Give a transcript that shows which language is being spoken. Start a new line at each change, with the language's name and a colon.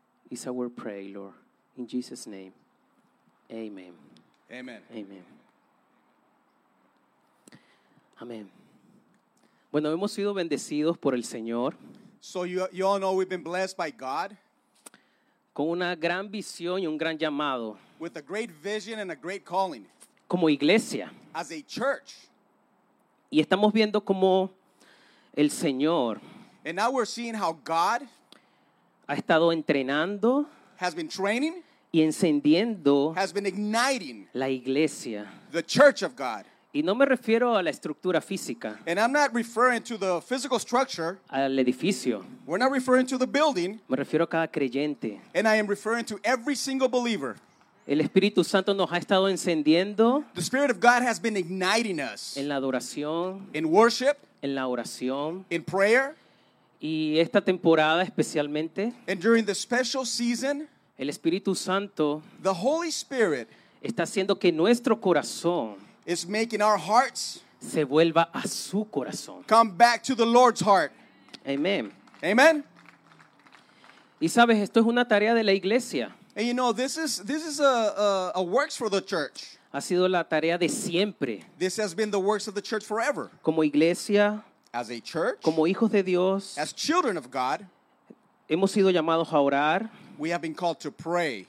English: It's our prayer, Lord. In Jesus' name, amen. Amen. Amen.
Spanish: Amen. Bueno, hemos sido bendecidos por el Señor.
English: So you all know we've been blessed by God.
Spanish: Con una gran visión y un gran llamado.
English: With a great vision and a great calling.
Spanish: Como iglesia.
English: As a church.
Spanish: Y estamos viendo como el Señor.
English: And now we're seeing how God
Spanish: ha estado entrenando,
English: has been training,
Spanish: y encendiendo,
English: has been igniting
Spanish: la iglesia,
English: the church of God.
Spanish: Y no me refiero a la estructura física,
English: and I'm not referring to the physical structure,
Spanish: al edificio.
English: We're not referring to the building,
Spanish: me refiero a cada creyente,
English: and I am referring to every single believer.
Spanish: El Espíritu Santo nos ha estado encendiendo,
English: the Spirit of God has been igniting us,
Spanish: en la adoración,
English: in worship,
Spanish: en la oración,
English: in prayer.
Spanish: Y esta temporada especialmente,
English: and during the special season,
Spanish: el Espíritu Santo,
English: the Holy Spirit,
Spanish: está haciendo que nuestro corazón
English: is making our hearts
Spanish: se vuelva a su corazón.
English: Come back to the Lord's heart. Amen. Amen.
Spanish: Y sabes, esto es una tarea de la iglesia.
English: And you know, this is a works for the church.
Spanish: Ha sido la tarea de siempre.
English: This has been the works of the church forever.
Spanish: Como iglesia,
English: as a church,
Spanish: como hijos de Dios,
English: as children of God,
Spanish: hemos sido llamados a orar,
English: we have been called to pray,